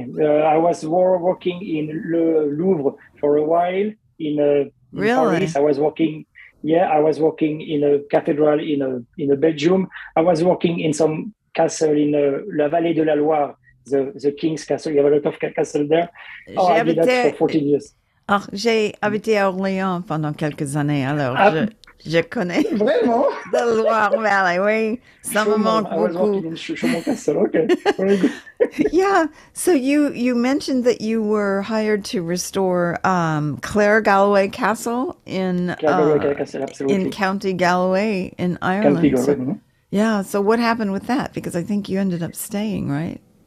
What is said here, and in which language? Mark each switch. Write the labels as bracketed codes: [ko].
[en] I was working in Le Louvre for a while in Paris. I was working in a cathedral in a Belgium. I was working in some castle in La Vallée de la Loire, the king's castle. You have a lot of castles there. Oh, I did that for 14 years. [fr] Alors, j'ai habité à Orléans pendant quelques années, alors je connais vraiment the Loire Valley, oui, ça me manque beaucoup. [en] Yeah, so you mentioned that you were hired to restore Clare Galloway Castle in County Galloway in Ireland. County Galloway, so, yeah, so what happened with that? Because I think you ended up staying, right?